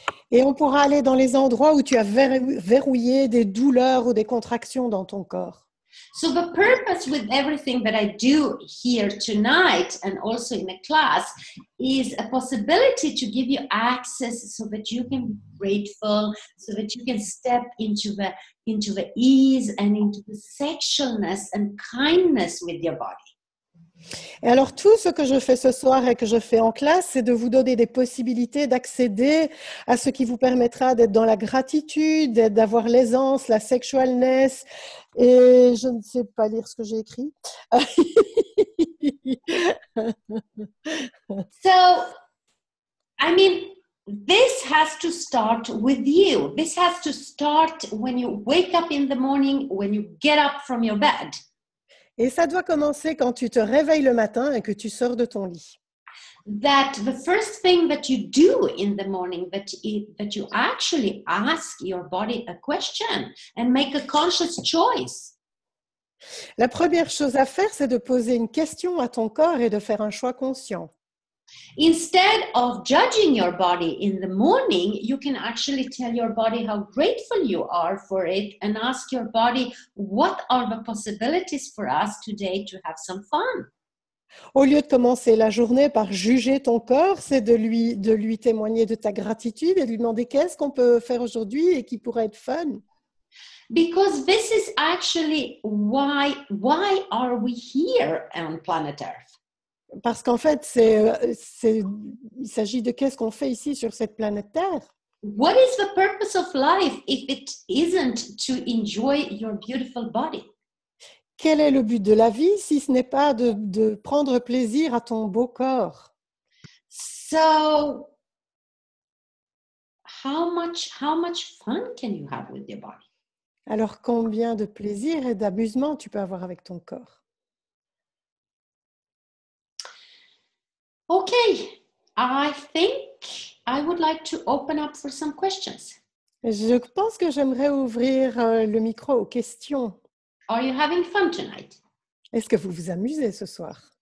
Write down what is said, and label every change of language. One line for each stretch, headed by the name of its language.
French: Et on pourra aller dans les endroits où tu as verrouillé des douleurs ou des contractions dans ton corps.
English: So the purpose with everything that I do here tonight and also in the class is a possibility to give you access so that you can be grateful, so that you can step into the ease and into the sexualness and kindness with your body.
French: Et alors tout ce que je fais ce soir et que je fais en classe, c'est de vous donner des possibilités d'accéder à ce qui vous permettra d'être dans la gratitude, d'avoir l'aisance, la sexualness, et je ne sais pas lire ce que j'ai écrit.
English: So, I mean, this has to start with you. This has to start when you wake up in the morning, when you get up from your bed.
French: Et ça doit commencer quand tu te réveilles le matin et que tu sors de ton lit.
English: That the first thing that you do in the morning, that you actually ask your body a question and make a conscious choice.
French: La première chose à faire, c'est de poser une question à ton corps et de faire un choix conscient.
English: Instead of judging your body in the morning, you can actually tell your body how grateful you are for it and ask your body, what are the possibilities for us today to have some fun?
French: Au lieu de commencer la journée par juger ton corps, c'est de lui témoigner de ta gratitude et de lui demander qu'est-ce qu'on peut faire aujourd'hui et qui pourrait être fun.
English: Because this is actually why are we here on planet Earth?
French: Parce qu'en fait, il s'agit de qu'est-ce qu'on fait ici sur cette planète Terre.
English: What is the purpose of life if it isn't to enjoy your beautiful body?
French: Quel est le but de la vie si ce n'est pas de prendre plaisir à ton beau corps?
English: So, how much fun can you have with your body?
French: Alors, combien de plaisir et d'amusement tu peux avoir avec ton corps?
English: Ok, I think I would like to open up for some questions.
French: Je pense que j'aimerais ouvrir le micro aux questions.
English: Are you having fun tonight?
French: Est-ce que vous vous amusez ce soir?